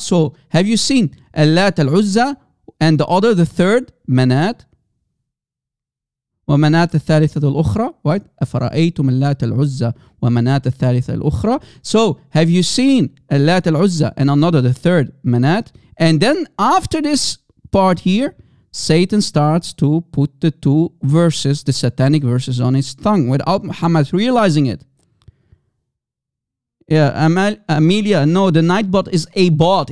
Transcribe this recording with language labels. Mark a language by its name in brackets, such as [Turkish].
[English] So have you seen اللات العزة and the other, the third, [Arabic] منات ومنات الثالثة الأخرى, [English] right? [Arabic] أفرأيتم اللات العزة ومنات الثالثة الأخرى. [English] So have you seen اللات العزة and another, the third, منات. And then after this part here, Satan starts to put the two verses, the satanic verses, on his tongue without Muhammad realizing it. Yeah, Amelia, no, the nightbot is a bot.